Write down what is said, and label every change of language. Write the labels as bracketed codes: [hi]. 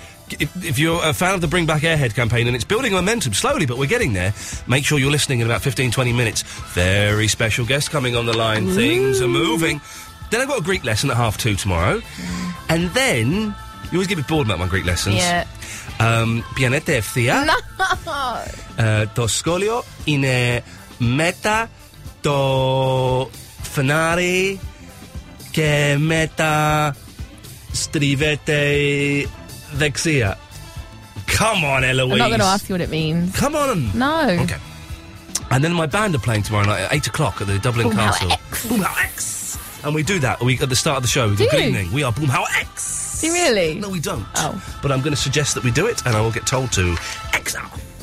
[en] If you're a fan of the Bring Back Airhead campaign, and it's building momentum slowly, but we're getting there, make sure you're listening in about 15, 20 minutes. Very special guest coming on the line. Ooh. Things are moving. Then I've got a Greek lesson at 2:30 tomorrow. And then, you always get a bit bored about my Greek lessons. Yeah. [el] Pianete ευθεία. [en] No! [el] Το σχόλιο είναι μετά το φανάρι και μετά στριβέται δεξιά. [en] Come on, Eloise. I'm not going to ask you what it means. Come on. No. Okay. And then my band are playing tomorrow night at 8 o'clock at the Dublin Boom Castle. Boomhauer X. And we do that at the start of the show. Do you? Good evening. We are Boomhauer X. Do you really? No, we don't. Oh. But I'm going to suggest that we do it and I will get told to X out.